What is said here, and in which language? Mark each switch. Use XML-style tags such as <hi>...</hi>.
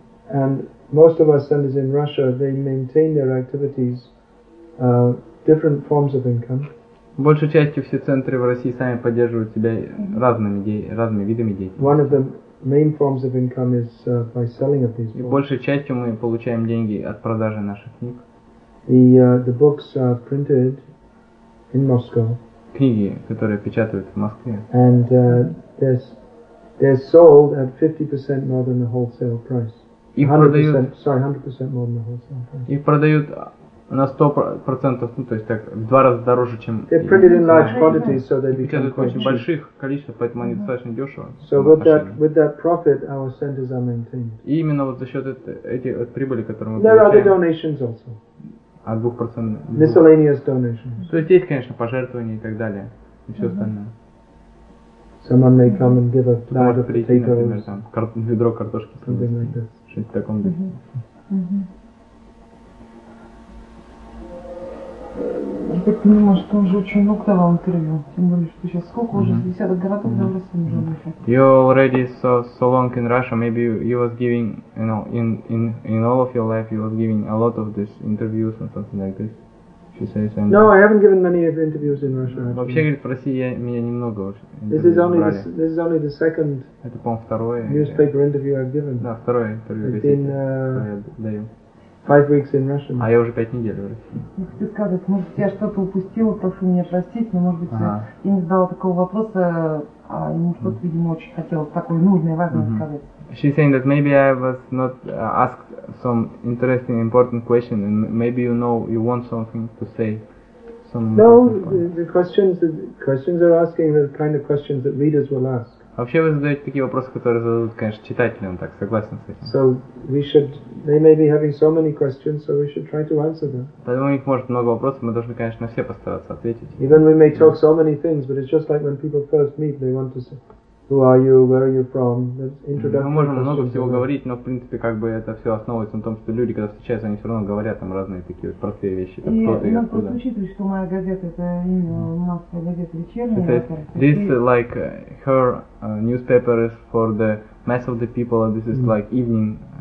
<en>And most of our centers in Russia, they maintain their activities, different forms of income.</en> <ru>Большей частью все центры в России сами поддерживают себя разными видами деятельности.</ru> <en>One of the main forms of income is by selling of these books.</en> <ru>И большей частью мы получаем деньги от продажи наших книг.</ru> <en>The books are printed in Moscow.</en> <ru>Книги, которые печатают в Москве.</ru> <en>And they're sold at 50% more than the wholesale price. 100% more than the wholesale price.</en> <ru>Их продают на 100%, ну то есть так в два раза дороже, чем.</ru> <en>They're printed in large quantities, so they become quite cheap.</en> <ru>Очень больших количеств, поэтому они достаточно дешево.</ru> <en>So with that profit, our centers are maintained.</en> <ru>И именно вот за счет этих прибыли, которые мы получаем.</ru> <en>There are other donations also.</en> <ru>От 2%.</ru> <en>Miscellaneous donations.</en> <ru>То есть есть, конечно, пожертвования и так далее. И все остальное.</ru> <en>Someone may come and give a bag of potatoes.</en> <ru>Прийти, например, там, ведро картошки.</ru> <en>Something like this.</en> <ru>Что-нибудь в таком духе. Я так понимаю, что он же очень много давал интервью. Тем более, что сейчас сколько уже? 10 городов для России уже выехали.</ru> <en>You already so long in Russia, maybe you was giving, you know, in all of your life you was giving a lot of these interviews and something like this. She says, no, I haven't given many of interviews in Russia.</en> <ru>Вообще, говорит, в России я меня немного уже интервью брали.</ru> <en>This is only the second newspaper interview I've given.</en> <ru>Да, второе интервью. Даю.</ru> <en>5 weeks in Russian.</en> <ru>А я уже 5 недель в России. Хочу сказать, может, я что-то упустила, прошу меня простить, но, может быть, я не задала такого вопроса, а ему что-то, видимо, очень хотелось такое нужное и важное сказать.</ru> <en>She's saying that maybe I was not asked some interesting, important question, and maybe you know, you want something to say. No, the questions are asking the kind of questions that readers will ask.</en> <ru>Вообще вы задаете такие вопросы, которые зададут, конечно, читатели, он так согласен с этим.</ru> <en>So we should, they may be having so many questions, so we should try to answer them.</en> <ru>Поэтому у них может много вопросов, мы должны, конечно, на все постараться ответить.</ru> <en>Even we may talk so many things, but it's just like when people first meet, they want to say, who are you, where are you from, introduction.</en> <ru>Мы можем много всего говорить, но в принципе как бы это все основывается на том, что люди, когда встречаются, они все равно говорят там разные такие вот простые вещи. И надо просто учитывать, что моя газета это именно масса газет вечерняя.</ru> <en>This like her newspaper is for the mass of the people, and this is like evening</en>